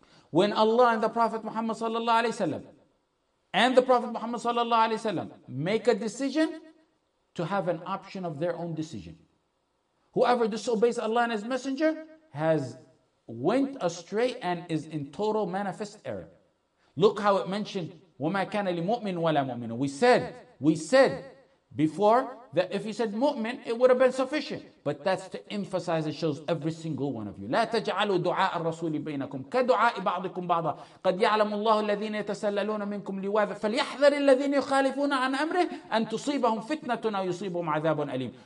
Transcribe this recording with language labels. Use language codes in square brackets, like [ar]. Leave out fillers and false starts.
[en] When Allah and the Prophet Muhammad sallallahu alaihi wasallam and the Prophet Muhammad sallallahu alaihi wasallam make a decision, to have an option of their own decision. Whoever disobeys Allah and His Messenger has went astray and is in total manifest error. Look how it mentioned, [ar] وَمَا كَانَ لِمُؤْمِنٍ وَلَا مُؤْمِنٍ. [en] We said before that if he said mu'min, it would have been sufficient. But that's to emphasize, it shows every single one of you. [ar] لَا تَجْعَلُوا دُعَاءَ الرَّسُولِ بَيْنَكُمْ كَدُعَاءِ بَعْضِكُمْ بَعْضًا قَدْ يَعْلَمُ اللَّهُ الَّذِينَ يَتَسَلَّلُونَ مِنْكُمْ لِوَاذًا فَلْيَحْذَرِ الَّذِينَ يُخَالِفُونَ عَنْ أَمْرِهِ أَنْ تُصِيبَهُمْ فِتْنَةٌ أَوْ يُصِيبُهُمْ عَذَابٌ أَلِيمٌ.